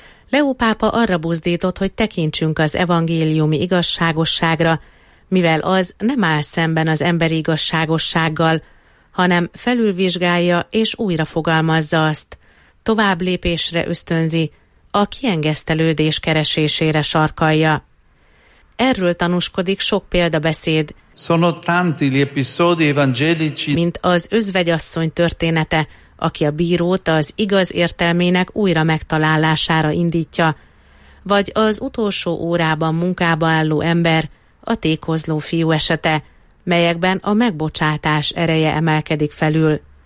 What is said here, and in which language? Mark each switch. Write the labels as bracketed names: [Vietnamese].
[Hungarian] Leó pápa arra buzdított, hogy tekintsünk az evangéliumi igazságosságra, mivel az nem áll szemben az emberi igazságossággal, hanem felülvizsgálja és újra fogalmazza azt, tovább lépésre ösztönzi, a kiengesztelődés keresésére sarkalja. Erről tanúskodik sok példabeszéd, [Italian] sono tanti gli episodi evangelici, [Hungarian] mint az özvegyasszony története, aki a bírót az igaz értelmének újra megtalálására indítja, vagy az utolsó órában munkába álló ember, a tékozló fiú esete, melyekben a megbocsátás ereje emelkedik felül.